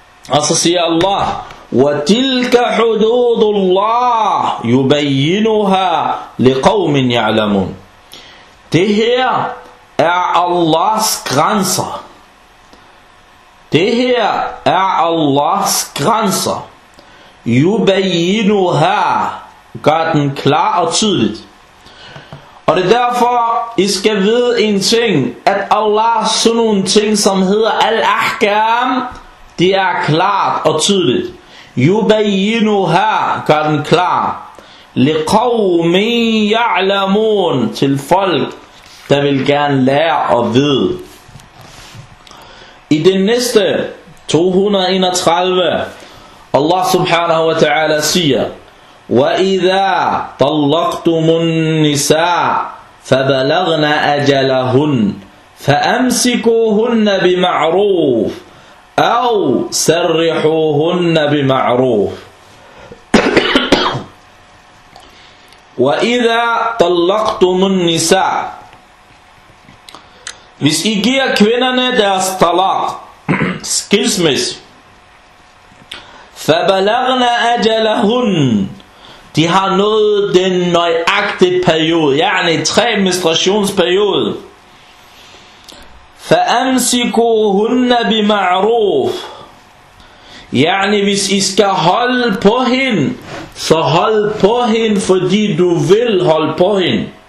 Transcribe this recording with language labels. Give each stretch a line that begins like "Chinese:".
Danish: Og så siger Allah,
Arabic: وَتِلْكَ حُدُودُ اللَّهِ يُبَيِّنُهَا لِقَوْمٍ يَعْلَمُونَ.
Danish: Det her er Allahs grænser. Det her er Allahs grænser.
Arabic: يُبَيِّنُهَا,
Danish: gør den klar og tydeligt. Og det er derfor, I skal vide en ting, at Allah sådan nogle ting, som hedder Al-Ahkam, det er klart og tydeligt.
Arabic: يُبَيِّنُهَا,
Danish: gør den klar.
Arabic: لِقَوْمِن يَعْلَمُونَ,
Danish: til folk, der vil gerne lære og vide. I den næste 231, Allah subhanahu wa ta'ala siger,
Arabic: وَإِذَا طَلَّقْتُمُ النِّسَاءَ فَبَلَغْنَ أَجَلَهُنَّ فَأَمْسِكُوهُنَّ بِمَعْرُوفٍ أَوْ سَرِّحُوهُنَّ بِمَعْرُوفٍ وَإِذَا طَلَّقْتُمُ النِّسَاءَ.
Danish: Hvis I giver kvinderne deres talak, skilsmis,
Arabic: فَبَلَغْنَ أَجَلَهُنَّ,
Danish: de har nået den nøjagtige periode, yani tre menstruationsperiode,
Arabic: فَأَمْسِكُوهُنَّ بِمَعْرُوفٍ,
Danish: yani hvis I skal holde på hende, så hold på hende, fordi du vil holde på hende.